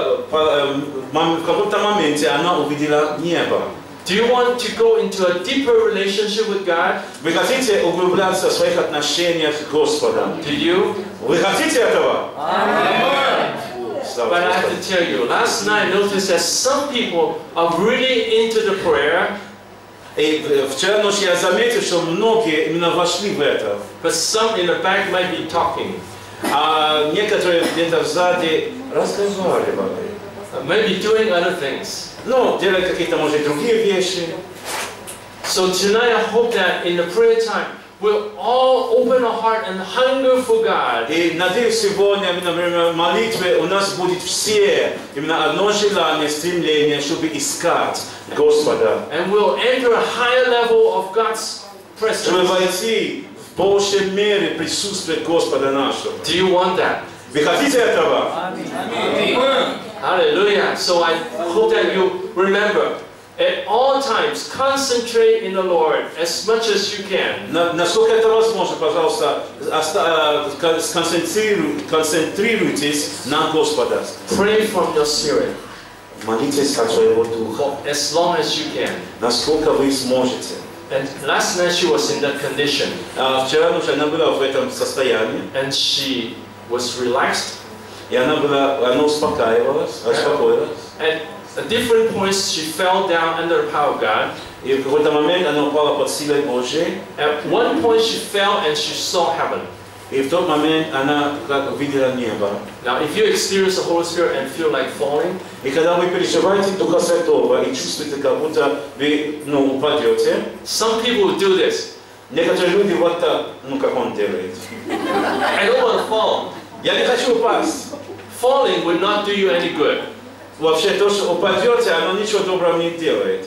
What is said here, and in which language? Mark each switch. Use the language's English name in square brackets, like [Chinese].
[Russian] В каком-то моменте она увидела небо. [English] Do you want to go into a deeper relationship with God? [Russian] Вы хотите углубляться в своих отношениях с Господом? [English] Do you? [Russian] Вы хотите этого? [English] But I have to tell you, last night I noticed that some people are really into the prayer. [Russian] И вчера ночью я заметил, что многие именно вошли в это. [English] But some in the back might be talking. [Russian] А некоторые где-то сзади разговаривали. [English] Maybe doing other things. [Russian] Ну, делать какие-то, может, другие вещи. [English] So tonight I hope that in the prayer time we'll all open our heart and hunger for God. [Russian] И надеюсь, сегодня именно во время молитвы у нас будет все именно одно желание, стремление, чтобы искать Господа. [English] And we'll enter a higher level of God's presence. [Russian] Чтобы войти в большей мере присутствие Господа нашего. [English] Do you want that? [Russian] Вы хотите этого? Аминь. [English] Hallelujah. So I hope that you remember At all times, concentrate in the Lord as much as you can. [Russian] Насколько это возможно, пожалуйста, сконцентрируйтесь на Господа. [English] Pray from your spirit. [Russian] Молитесь от своего духа. [English] As long as you can. [Russian] Насколько вы сможете. [English] And last night she was in that condition. [Russian] Вчера ночью она была в этом состоянии. [English] And she was relaxed. [Russian] И она была, она успокоилась. [English] And at different points she fell down under the power of God. [Russian] И в какой-то момент она упала под силой Божьей. [English] At one point she fell and she saw heaven. [Russian] И в тот момент она как увидела небо. [English] Now if you experience the Holy Spirit and feel like falling. [Russian] И когда вы переживаете Духа Святого и чувствуете, как будто вы, ну, упадете. [English] Some people do this. [Russian] Некоторые люди вот так, ну как он делает. [English] I don't want to fall. [Russian] Я не хочу упасть. [English] Falling would not do you any good. [Russian] Вообще то, что упадете, оно ничего доброго не делает.